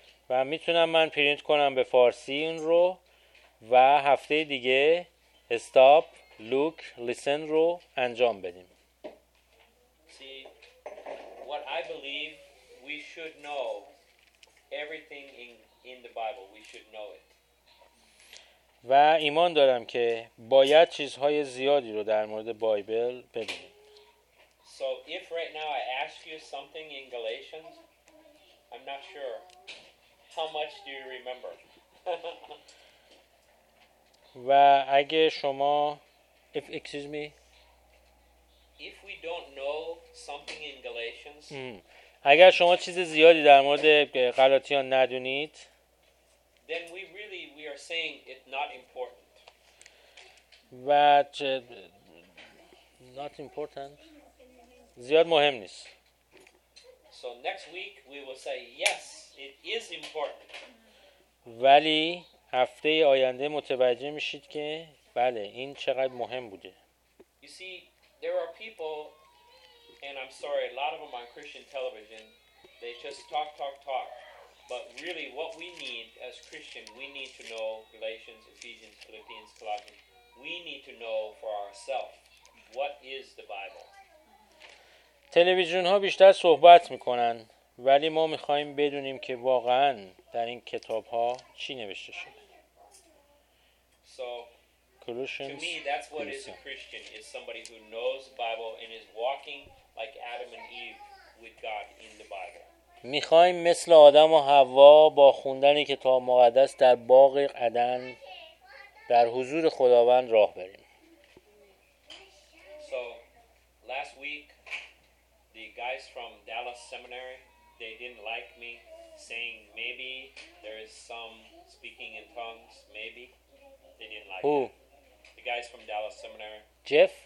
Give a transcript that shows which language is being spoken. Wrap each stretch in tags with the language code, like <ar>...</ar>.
<fa>و میتونم من پرینت کنم به فارسی این رو و هفته دیگه استاپ لوک لیسن رو انجام بدیم.</fa> <en>See, what I believe we should know everything in the Bible, we should know it.</en> <fa>و ایمان دارم که باید چیزهای زیادی رو در مورد بایبل بدونیم.</fa> <en>So if right now I ask you something in Galatians, I'm not sure how much do you remember.</en> <fa>و اگه شما</fa> <en>excuse me if we don't know something in Galatians</en> <fa>اگر شما چیز زیادی در مورد غلاطیان ندونید</fa> <en>then we really we are saying it's not important</en> <fa>و</fa> <en>not important</en> <fa>زیاد مهم نیست.</fa> <en>So next week we will say yes it is important.</en> <fa>ولی هفته آینده متوجه میشید که بله این چقدر مهم بوده.</fa> <en>You see, there are people, and I'm sorry, a lot of them on Christian television, they just talk. But really, what we need as Christian, we need to know Galatians, Ephesians, Philippians, Colossians. We need to know for ourselves what is the Bible.</en> <fa>تلویزیون ها بیشتر صحبت میکنن ولی ما میخوایم بدونیم که واقعا در این کتاب ها چی نوشته شده.</fa> <en>So, Colossians, to me, that's what is a Christian, is somebody who knows the Bible and is walking like Adam and Eve with God in the Bible.</en> <fa>میخوایم مثل آدم و حوا با خوندن کتاب مقدس در باغ عدن در حضور خداوند راه بریم.</fa> <en>So, last week, the guys from Dallas Seminary, they didn't like me saying maybe there is some speaking in tongues, maybe. Who? The guys from Dallas Seminary. Jeff?</en>